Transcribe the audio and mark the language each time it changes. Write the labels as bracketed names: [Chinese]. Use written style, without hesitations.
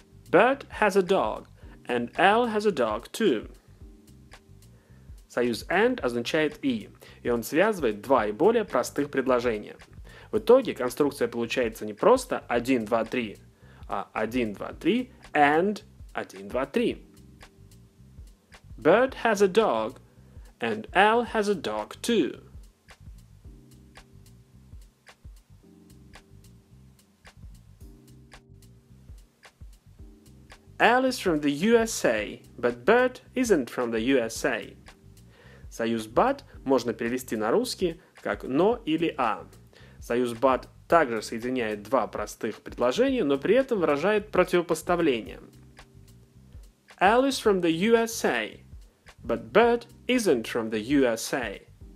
[English] Bert has a dog, and Al has a dog too. [Russian] Союз and означает и, и он связывает два и более простых предложения. В итоге конструкция получается не просто 1, 2, 3, а 1, 2, 3, and 1, 2, 3. [English] Bert has a dog, and Al has a dog too. Al is from the USA, but Bert isn't from the USA. [Russian] Союз but можно перевести на русский как но или а. Союз but также соединяет два простых предложения, но при этом выражает противопоставление. [English] Al is from the USA. But Bert isn't from the USA.